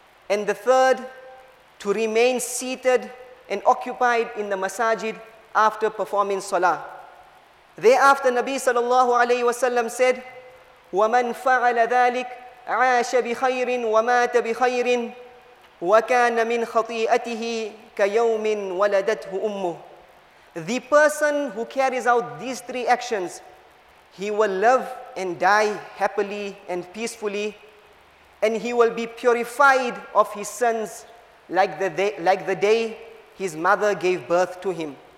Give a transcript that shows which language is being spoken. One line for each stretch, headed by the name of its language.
English: And the third, to remain seated and occupied in the masajid after performing salah. Thereafter, Nabi sallallahu alayhi wasallam said,
Arabic: وَمَنْ فَعَلَ ذَلِكَ عَاشَ بِخَيْرٍ وَمَاتَ بِخَيْرٍ وَكَانَ مِنْ خَطِيئَتِهِ كَيَوْمٍ وَلَدَتْهُ أُمُّهُ.
English: The person who carries out these three actions, he will live and die happily and peacefully, and he will be purified of his sins like the day his mother gave birth to him.